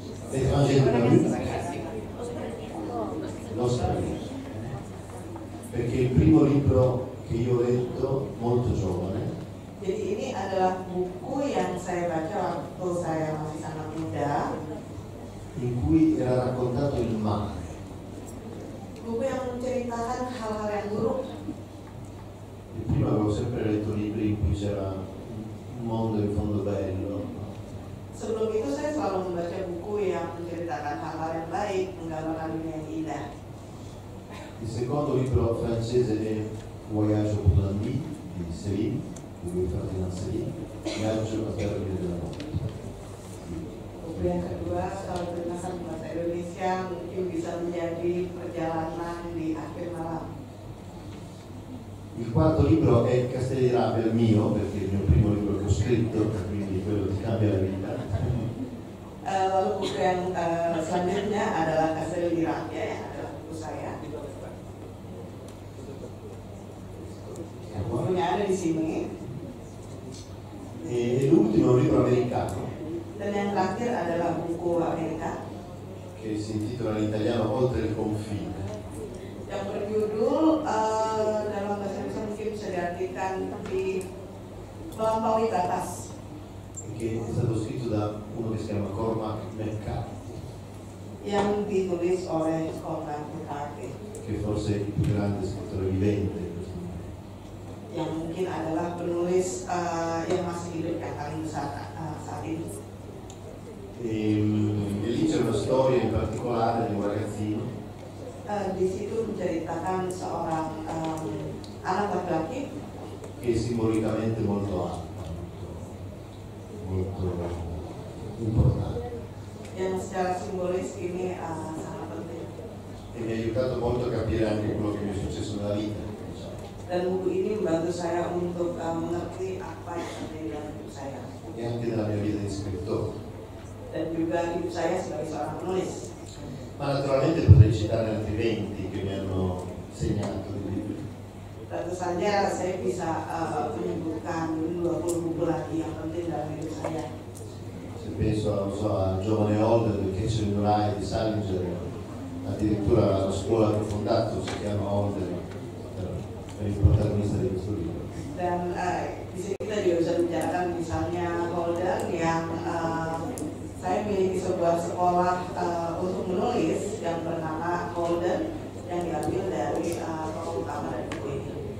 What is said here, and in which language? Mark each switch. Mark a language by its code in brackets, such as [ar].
[it] Le Français di Camus. Lo straniero. Perché il primo libro che io ho letto molto giovane. [id] Jadi ini adalah buku yang saya baca waktu saya masih sangat muda. [it] In cui era raccontato il male. [id] Buku yang menceritakan hal-hal yang buruk. [it] E prima avevo sempre letto libri in cui c'era un mondo in fondo bello. [id] Sebelum itu saya selalu membaca buku yang menceritakan hal-hal yang baik, menggambarkan dunia yang indah. [it] Il secondo libro francese è Voyage au bout de la nuit, di Céline, di Louis Ferdinand Céline, Viaggio al termine della notte. [id] Buku yang kedua, kalau berdasarkan bahasa Indonesia, mungkin bisa menjadi Perjalanan di Akhir Malam. [it] Il quarto libro è Castelli di Rabbia, il mio, perché è il mio primo libro che ho scritto, quindi quello che cambia la vita. [id] Lalu buku yang selanjutnya adalah Castelli di Rabbia, ya, adalah buku saya. Bukunya ada di sini. [it] E l'ultimo libro americano. [id] Dan yang terakhir adalah buku Amerika. [it] Che si intitola in italiano Oltre il confine. [id] Yang berjudul dalam bahasa Indonesia mungkin bisa diartikan di melampaui batas. [it] Che è stato scritto da uno che si chiama Cormac McCarthy. [id] Yang ditulis oleh Cormac McCarthy. [it] Che forse è il più grande scrittore vivente. [id] Yang mungkin adalah penulis yang masih hidup yang paling besar saat ini. [it] E lì c'è una storia in particolare di un ragazzino. [id] Di situ menceritakan seorang anak laki-laki [it] che è simbolicamente molto alto, molto importante. [id] Yang secara simbolis ini sangat penting. [it] E mi ha aiutato molto a capire anche quello che mi è successo nella vita. [id] Dan buku ini membantu saya untuk mengerti apa yang terjadi dalam hidup saya. [it] E anche nella mia vita di scrittore. [id] Dan juga hidup saya sebagai seorang penulis. [it] Ma naturalmente potrei citare altri 20 che mi hanno segnato di libri. [id] Tentu saja saya bisa menyebutkan 20 buku lagi yang penting dalam hidup saya. [it] Se penso a Giovane Holder, di Kitchen Murai, di Salinger, addirittura la scuola che ho fondato si chiama Holder, il protagonista di questo libro. [id] Dan di sini kita juga bisa bicarakan misalnya Holden yang saya miliki sebuah sekolah untuk menulis yang bernama Holden yang diambil dari tokoh utama dari buku ini.